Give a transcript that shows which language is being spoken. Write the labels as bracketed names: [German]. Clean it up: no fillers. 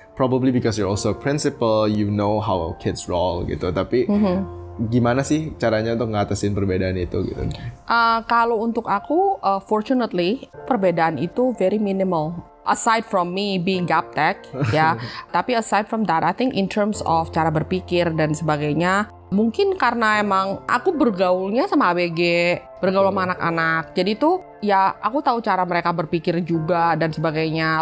[English] Probably because you're also a principal, you know how kids roll gitu. [Indonesian] Tapi gimana sih caranya untuk ngatasin perbedaan itu gitu? Kalau untuk aku, fortunately, perbedaan itu [English] very minimal. Aside from me being gap tech, ya. Tapi aside from that, I think in terms of [Indonesian] cara berpikir dan sebagainya, Mungkin karena emang aku bergaulnya sama ABG, bergaul sama anak-anak. Jadi tuh ya aku tahu cara mereka berpikir juga dan sebagainya.